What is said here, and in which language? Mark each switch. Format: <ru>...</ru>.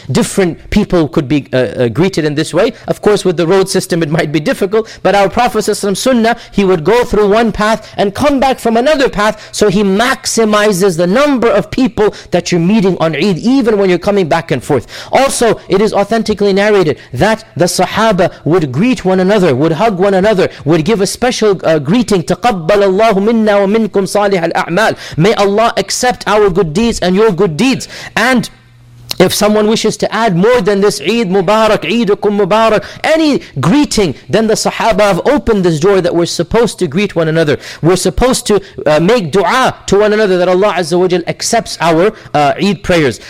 <en>Different people could be greeted in this way. Of course, with the road system, it might be difficult, but our Prophet ﷺ sunnah, he would go through one path and come back from another path, so he maximizes the number of people that you're meeting on Eid, even when you're coming back and forth. Also, it is authentically narrated that the Sahaba would greet one another, would hug one another, would give a special greeting.</en> <ar>تقبل الله منا ومنكم صالح الأعمال.</ar> <en>May Allah accept our good deeds and your good deeds. And if someone wishes to add more than this, Eid Mubarak, Eidukum Mubarak, any greeting, then the Sahaba have opened this door that we're supposed to greet one another. We're supposed to make dua to one another that Allah Azza wa Jal accepts our Eid prayers.</en>